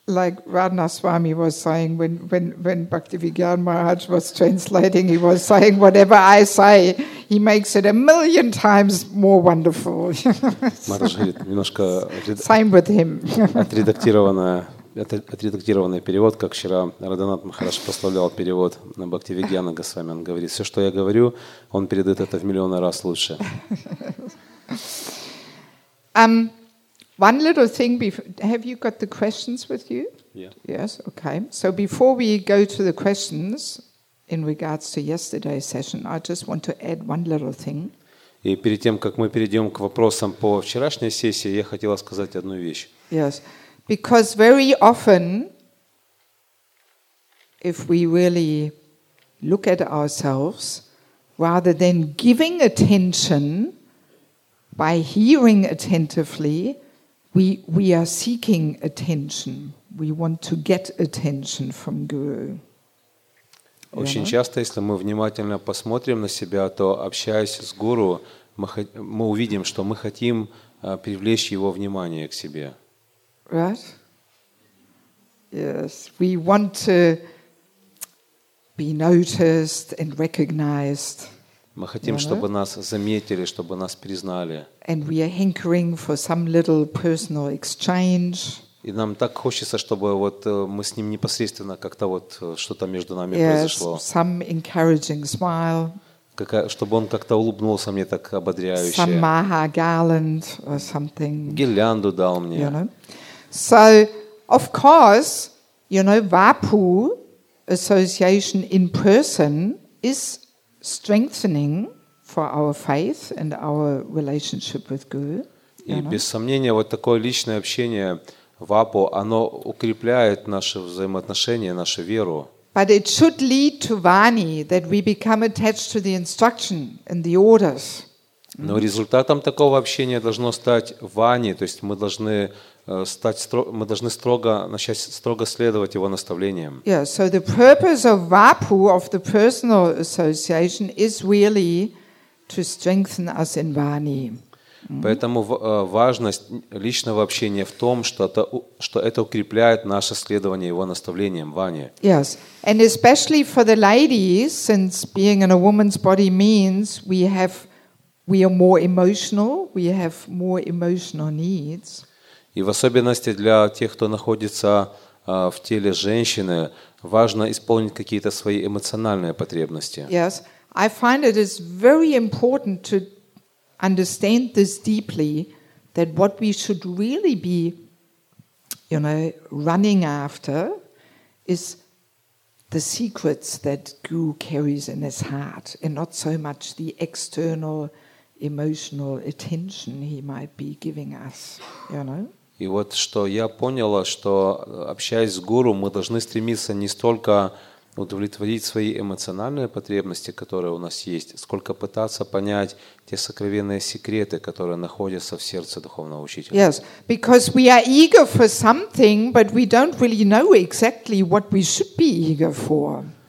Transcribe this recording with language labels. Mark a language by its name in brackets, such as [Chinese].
[English] Like Radha Swami was saying when Bhaktivigyan Maharaj was translating, he was saying, whatever I say, he makes it a million times more wonderful. Same with him. [Russian] Отредактированный перевод, как вчера Радханат Махарадж прославлял перевод на Бхактивигьяна Госвами. Он говорит, все, что я говорю, он передает это в миллионы раз лучше. [English] One little thing, have you got the questions with you? Yeah. Yes, okay. So before we go to the questions in regards to yesterday's session, I just want to add one little thing. [Russian] И перед тем, как мы перейдем к вопросам по вчерашней сессии, я хотела сказать одну вещь. [English] Yes, because very often if we really look at ourselves, rather than giving attention by hearing attentively, we are seeking attention. We want to get attention from Guru. [Russian] Очень часто, если мы внимательно посмотрим на себя, то общаясь с Гуру, мы увидим, что мы хотим привлечь его внимание к себе. [English] Right? Yes, we want to be noticed and recognized. [Russian] Мы хотим, чтобы нас заметили, чтобы нас признали. [English] And we are hankering for some little personal exchange. [Russian] И нам так хочется, чтобы вот мы с ним непосредственно как-то вот что-то между нами произошло. [English] Yes, some encouraging smile. [Russian] Чтобы он как-то улыбнулся мне так ободряюще. [English] Some maha garland or something. [Russian] Гирлянду дал мне. [English] You know? So, of course, you know, Vapu association in person is strengthening for our faith and our relationship with Guru. You [Russian] И [English] know? [Russian] Без сомнения, вот такое личное общение Вапу, оно укрепляет наши взаимоотношения, нашу веру. [English] But it should lead to vani, that we become attached to the instruction and the orders. [Russian] Но результатом такого общения должно стать вани, то есть мы должны строго начать строго следовать его наставлениям. [English] Yeah, so the purpose of Vapu, of the personal association, is really to strengthen us in vani. [Russian] Поэтому важность личного общения в том, что это укрепляет наше следование его наставлениям, Ване. [English] Yes, and especially for the ladies, since being in a woman's body means we are more emotional, we have more emotional needs. [Russian] И в особенности для тех, кто находится в теле женщины, важно исполнить какие-то свои эмоциональные потребности. [English] Yes, I find it is very important to understand this deeply, that what we should really be, you know, running after is the secrets that Guru carries in his heart, and not so much the external emotional attention he might be giving us, you know. [Russian] И вот что я поняла, что общаясь с Гуру, мы должны стремиться не столько удовлетворить свои эмоциональные потребности, которые у нас есть, сколько пытаться понять те сокровенные секреты, которые находятся в сердце духовного учителя. [English] Yes, because we are eager for something, but we don't really know exactly what we should be eager for.